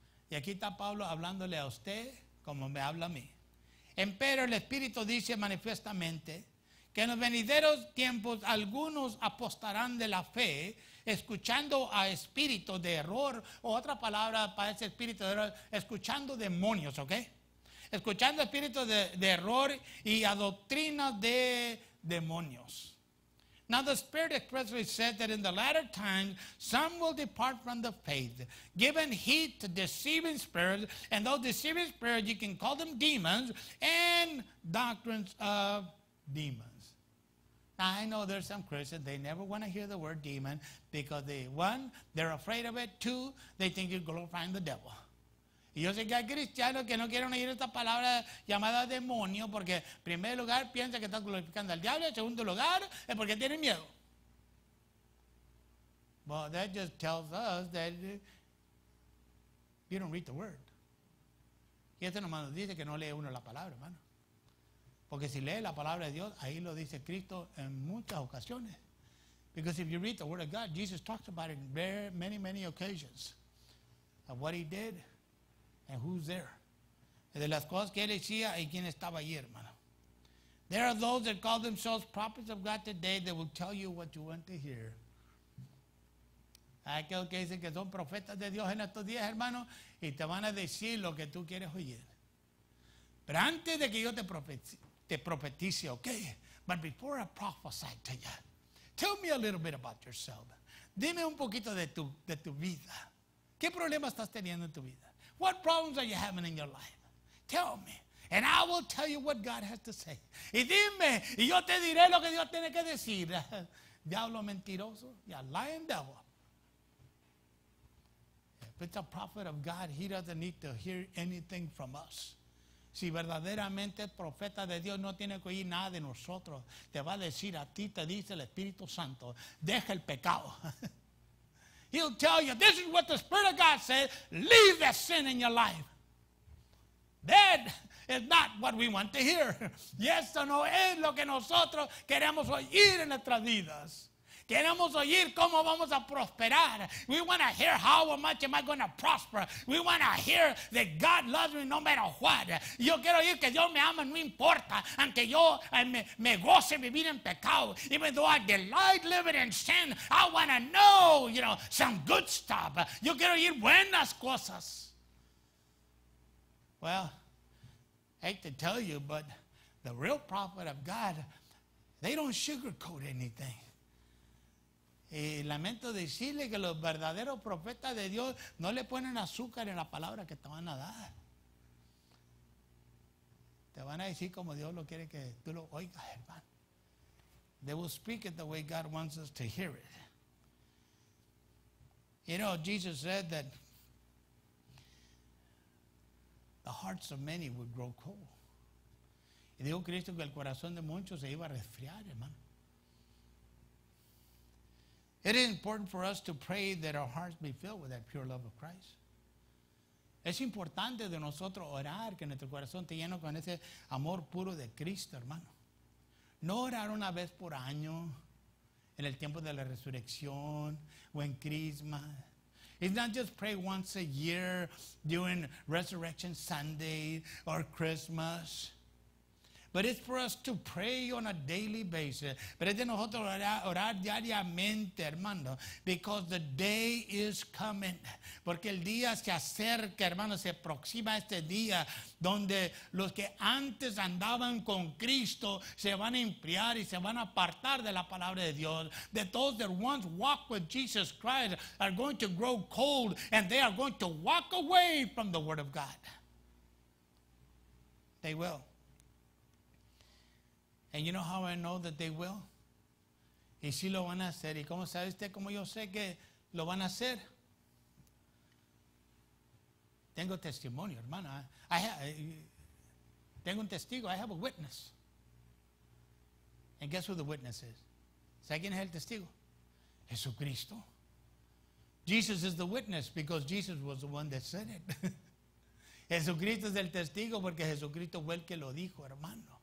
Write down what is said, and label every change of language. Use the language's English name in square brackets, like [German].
[Spanish] Y aquí está Pablo hablándole a usted como me habla a mí. Empero el Espíritu dice manifiestamente que en los venideros tiempos algunos apostarán de la fe, escuchando a espíritus de error, o otra palabra para ese espíritu de error, escuchando demonios, ¿ok? Escuchando espíritus de error y a doctrina de demonios. [English] Now the Spirit expressly said that in the latter times some will depart from the faith, giving heed to deceiving spirits, and those deceiving spirits you can call them demons, and doctrines of demons. Now, I know there's some Christians, they never want to hear the word demon because they, one, they're afraid of it, two, they think you're glorifying the devil. [Spanish] Y yo sé que hay cristianos que no quieren oír esta palabra llamada demonio porque, en primer lugar, piensa que está glorificando al diablo, en segundo lugar, es porque tiene miedo. [English] Well, that just tells us that you don't read the word. [Spanish] Y este nomás nos dice que no lee uno la palabra, hermano. Porque si lee la palabra de Dios, ahí lo dice Cristo en muchas ocasiones. [English] Because if you read the word of God, Jesus talks about it in very, many, many occasions of what he did and who's there. [Spanish] De las cosas que él decía y quién estaba allí, hermano. [English] There are those that call themselves prophets of God today that will tell you what you want to hear. [Spanish] Hay aquellos que dicen que son profetas de Dios en estos días, hermano, y te van a decir lo que tú quieres oír. Pero antes de que yo te profetice, okay? [English] But before I prophesy to you, tell me a little bit about yourself. [Spanish] Dime un poquito de tu vida. ¿Qué problemas estás teniendo en tu vida? [English] What problems are you having in your life? Tell me, and I will tell you what God has to say. [Spanish] Y dime, y yo te diré lo que Dios tiene que decir. Diablo mentiroso. [English] Yeah, lying devil. If it's a prophet of God, he doesn't need to hear anything from us. [Spanish] Si verdaderamente es profeta de Dios, no tiene que oír nada de nosotros. Te va a decir a ti, te dice el Espíritu Santo, deja el pecado. [English] He'll tell you, this is what the Spirit of God said, leave that sin in your life. That is not what we want to hear. [Spanish] Y esto no es lo que nosotros queremos oír en nuestras vidas. Queremos oír cómo vamos a prosperar. [English] We want to hear how much am I going to prosper. We want to hear that God loves me no matter what. [Spanish] Yo quiero oír que Dios me ama no importa, aunque yo me goce vivir en pecado. [English] Even though I delight living in sin, I want to know, you know, some good stuff. [Spanish] Yo quiero oír buenas cosas. [English] Well, I hate to tell you, but the real prophet of God, they don't sugarcoat anything. [Spanish] Y lamento decirle que los verdaderos profetas de Dios no le ponen azúcar en la palabra que te van a dar. Te van a decir como Dios lo quiere que tú lo oigas, hermano. [English] They will speak it the way God wants us to hear it. You know, Jesus said that the hearts of many would grow cold. [Spanish] Y dijo Cristo que el corazón de muchos se iba a resfriar, hermano. [English] It is important for us to pray that our hearts be filled with that pure love of Christ. [Spanish] Es importante de nosotros orar que nuestro corazón esté lleno con ese amor puro de Cristo, hermano. No orar una vez por año en el tiempo de la resurrección o en Crisma. [English] It's not just pray once a year during Resurrection Sunday or Christmas. But it's for us to pray on a daily basis. [Spanish] Pero es de nosotros orar diariamente, hermano. [English] Because the day is coming. [Spanish] Porque el día se acerca, hermano, se aproxima este día donde los que antes andaban con Cristo se van a enfriar y se van a apartar de la palabra de Dios. [English] That those that once walked with Jesus Christ are going to grow cold and they are going to walk away from the Word of God. They will. And you know how I know that they will? [Spanish] Y si lo van a hacer. ¿Y cómo sabe usted cómo yo sé que lo van a hacer? Tengo testimonio, hermano. Tengo un testigo. I have a witness. And guess who the witness is? ¿Sabe quién es el testigo? Jesucristo. [English] Jesus is the witness because Jesus was the one that said it. [Spanish] Jesucristo es el testigo porque Jesucristo fue el que lo dijo, hermano.